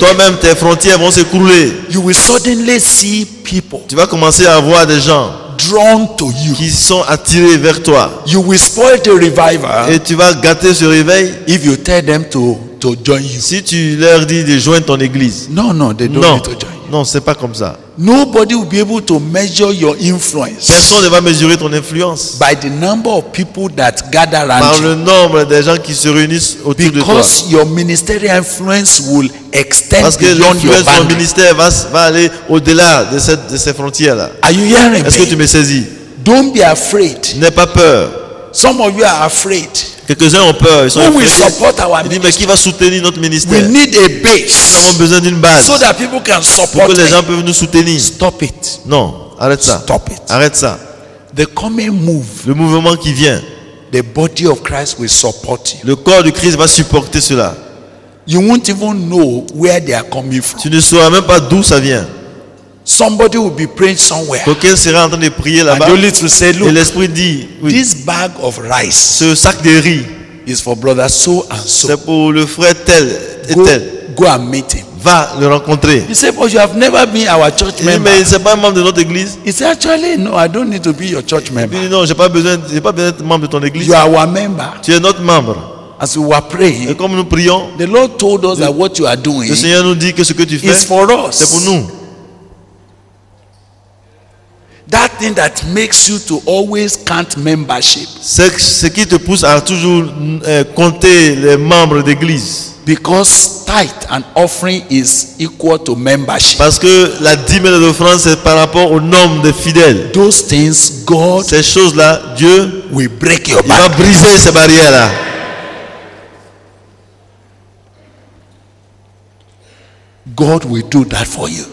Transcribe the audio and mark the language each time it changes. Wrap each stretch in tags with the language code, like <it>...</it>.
<fr>Toi-même, tes frontières vont s'écrouler.</fr> <en>You will suddenly see people.</en> <fr>Tu vas commencer à voir des gens</fr> <en>drawn to you.</en> <fr>Qui sont attirés vers toi.</fr> <en>You will spoil the revival.</en> <fr>Et tu vas gâter ce réveil</fr> <en>if you tell them to join you.</en> <fr>Si tu leur dis de joindre ton église.</fr> <en>No, they don't</en> <fr>non</fr> <en>need to join.</en> <fr>Non, c'est pas comme ça.</fr> <en>Nobody will be able to measure your influence.</en> <fr>Personne ne va mesurer ton influence.</fr> <en>By the number of people that gather around</en> <fr>par le nombre des gens qui se réunissent autour</fr> <en>because</en> <fr>de toi.</fr> <en>Because your ministerial influence will extend</en> <fr>parce que</fr> <en>beyond your boundary.</en> <fr>Ton ministère va aller au-delà de ces frontières là.</fr> <en>Are you hearing me?</en> <fr>Est-ce que tu me saisis?</fr> <en>Don't be afraid.</en> <fr>N'aie pas peur.</fr> <en>Some of you are afraid.</en> <fr>Quelques-uns ont peur, ils sont</fr> <en>who</en> <fr>effrayés.</fr> <en>Will support our ministry?</en> <fr>Ils disent, mais qui va soutenir notre ministère?</fr> <en>We need a base.</en> <fr>Nous avons besoin d'une base.</fr> <en>So that people can support</en> <fr>pour que les gens puissent nous soutenir.</fr> <en>Stop it.</en> <fr>Non, arrête ça.</fr> <en>Stop it.</en> <fr>Arrête ça.</fr> <en>The coming move.</en> <fr>Le mouvement qui vient.</fr> <en>The body of Christ will support you.</en> <fr>Le corps du Christ va supporter cela.</fr> <en>You won't even know where they are coming from.</en> <fr>Tu ne sauras même pas d'où ça vient.</fr> <en>Somebody will be praying somewhere.</en> <fr>Quelqu'un sera en train de prier là-bas.</fr> <en>And the Holy Spirit said, look,</en> <fr>et l'Esprit dit, oui,</fr> <en>this bag of rice,</en> <fr>ce sac de riz,</fr> <en>is for brother so and so.</en> <fr>C'est pour le frère tel et tel.</fr> <en>Go and meet him.</en> <fr>Va le rencontrer.</fr> <en>He said, but you have never been our church</en> <fr>il</fr> <en>member.</en> <fr>Mais il n'est pas membre de notre église.</fr> <en>He said, actually, no, I don't need to be your church member.</en> <fr>Non, j'ai pas besoin d'être membre de ton église.</fr> <en>You are our member.</en> <fr>Tu es notre membre.</fr> <en>As we were praying,</en> <fr>et comme nous prions,</fr> <en>the Lord told us that what you are doing,</en> <fr>le Seigneur nous dit que ce que tu fais,</fr> <en>is for us.</en> <fr>C'est pour nous.</fr> <en>That thing that makes you to always count membership.</en> <fr>Ce qui te pousse à toujours compter les membres d'église.</fr> <en>Because tithe and offering is equal to membership.</en> <fr>Parce que la dîme et l'offrande c'est par rapport au nombre de fidèles.</fr> <en>Those things God.</en> <fr>Ces choses là, Dieu.</fr> <en>Will break your barrier.</en> <fr>Il va briser ces barrières là.</fr> <en>God will do that for you.</en>